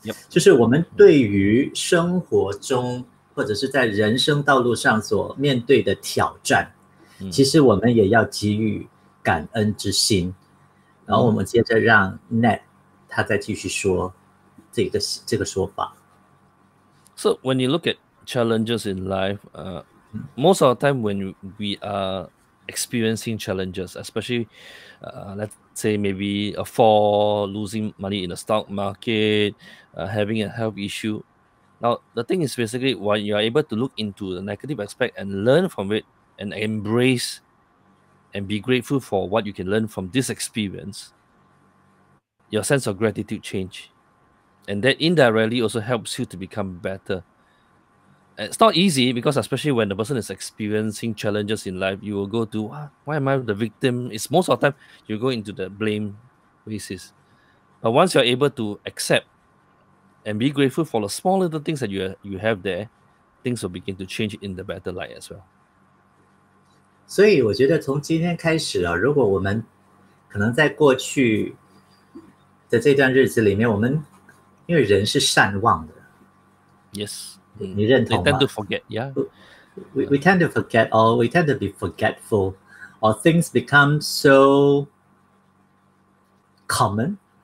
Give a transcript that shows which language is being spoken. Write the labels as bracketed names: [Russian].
[Chinese] 就是我们对于生活中或者是在人生道路上所面对的挑战，其实我们也要给予感恩之心。然后我们接着让 Nat 他再继续说这个说法。 [English] So when you look at challenges in life, most of the time when we are experiencing challenges, especially, let's say maybe a fall, losing money in the stock market, having a health issue. Now, the thing is basically when you are able to look into the negative aspect and learn from it and embrace and be grateful for what you can learn from this experience, your sense of gratitude change. And that indirectly also helps you to become better. It's not easy because especially when the person is experiencing challenges in life, you will go to, why am I the victim? It's most of the time you go into the blame basis. But once you're able to accept and be grateful for the small little things that you have there, things will begin to change in the better light as well. [Chinese] 所以我觉得从今天开始啊，如果我们可能在过去的这段日子里面，我们因为人是善忘的。 [English] Yes. [Chinese] 你认同吗？ [English] They tend to forget, yeah. we tend to forget, or we tend to be forgetful, or things become so common.